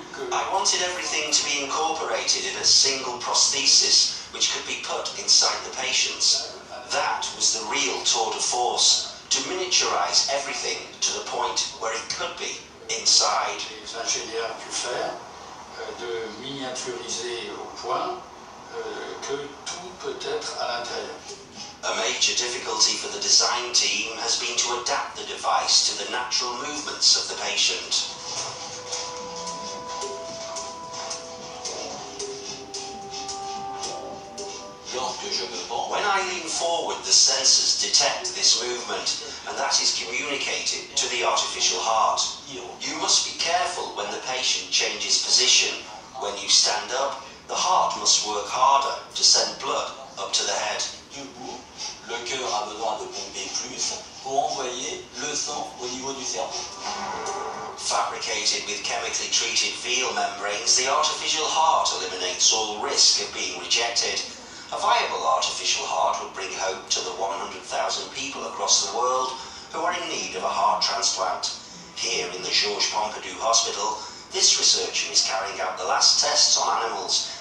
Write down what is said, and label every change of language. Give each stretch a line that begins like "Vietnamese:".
English: I wanted everything to be incorporated in a single prosthesis which could be put inside the patients. That was the real tour de force, to miniaturize everything to the point where it could be inside.
French: De miniaturiser au point que tout peut être à l'intérieur.
English: A major difficulty for the design team has been to adapt the device to the natural movements of the patient. When I lean forward, the sensors detect this movement, and that is communicated to the artificial heart. You must be careful when the patient changes position. When you stand up, the heart must work harder to send blood up to the head.
French: Debout, le cœur a besoin de pomper plus pour envoyer le sang au niveau du cerveau.
English: Fabricated with chemically treated veal membranes, the artificial heart eliminates all risk of being rejected. A viable artificial heart would bring hope to the 100,000 people across the world who are in need of a heart transplant. Here in the Georges Pompidou Hospital,This researcher is carrying out the last tests on animals.